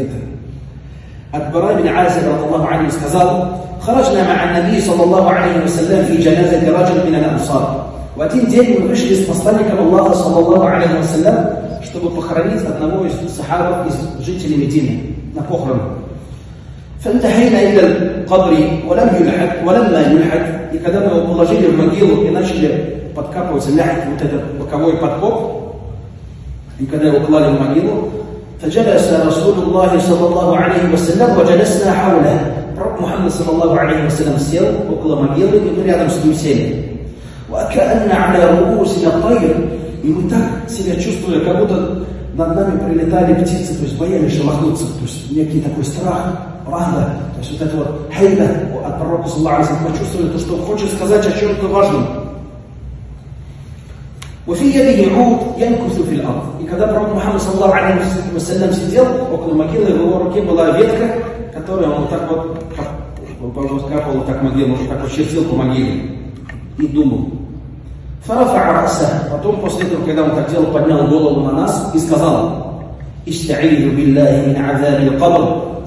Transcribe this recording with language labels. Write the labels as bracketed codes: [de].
[ru] Это ат дара ибн азиб радиллаху анхума сказал: [ar] خرجنا مع النبي صلى الله عليه وسلم في جنازة رجل من الأنصار. [ru] وتين день мы вышли с посланником Аллаха صلى الله عليه وسلم, чтобы похоронить одного из сахаба из жителей Медины на похороны. [ar] فانتهينا إلى القبر ولم يلحق ولما يلحق. [ru] И когда мы положили в могилу и начали подкапывать ляхик, вот этот боковой подкоп, и когда его клали в могилу, [ar] فجلس رسول الله صلى الله عليه وسلم وجلسنا حوله. [ru] Мухаммад саллаллаху алейхи ва саллям сел около могилы, и мы рядом с ним сели. [ar] وكأن على رؤوسنا طير. [ru] И мы так себя чувствовали, как будто над нами прилетали птицы, то есть боялись шелохнуться, то есть некий такой страх, рахба, то есть вот это вот хайба от пророка саллаллаху алейхи ва саллям, почувствовали то, что он хочет сказать о чем-то важном. [ar] وفي يده عود ينكث في الأرض. [ru] И когда пророк Мухаммад саллаллаху алейхи ва саллям сидел около могилы, в его руке была ветка, которую он вот так вот капал, так могилу, уже так вот чертил по могиле и думал. [ar] Фарафа раса. [ru] Потом, после этого, когда он так делал, поднял голову на нас и сказал: [ar] «Истаиду биллахи мин азаби аль-кабр».